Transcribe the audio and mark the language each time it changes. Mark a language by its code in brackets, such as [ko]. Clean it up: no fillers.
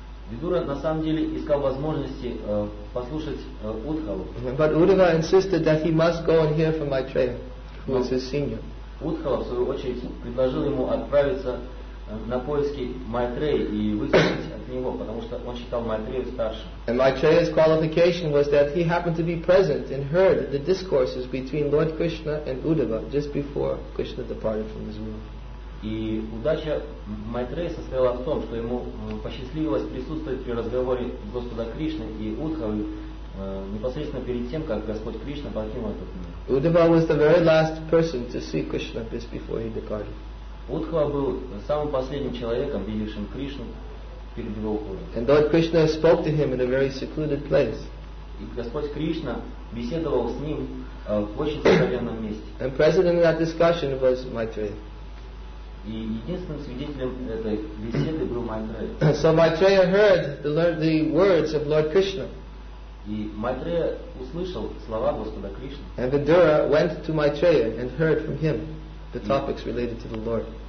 [ru] Vidura на самом деле искал возможности послушать Удхаву. [en] But Uddhava insisted that he must go and hear from Maitreya, who was his senior. [ru] Удхава, в свою очередь, предложил ему отправиться на поиски Майтрея и выслушать от него, потому что он считал Майтрею старше. [en] And Maitreya's qualification was that he happened to be present and heard the discourses between Lord Krishna and Uddhava just before Krishna departed from his world. [ru] И удача Майтрея состояла в том, что ему посчастливилось присутствовать при разговоре Господа Кришны и Удхавы непосредственно перед тем, как Господь Кришна покинул этот мир. [en] Uddhava was the very last person to see Krishna just before he departed. [ru] Удхава был самым последним человеком, видевшим Кришну перед его уходом. [en] And Lord Krishna spoke to him in a very secluded place. [ru] И Господь Кришна беседовал с ним в очень сокровенном месте. [en] And president of that discussion was Maitreya. [ru] И единственным свидетелем этой беседы был Майтрея. [en] So Maitreya heard the words of Lord Krishna. [ru] И Майтрея услышал слова Господа Кришны. [en] And Vidura went to Maitreya and heard from him the topics related to the Lord.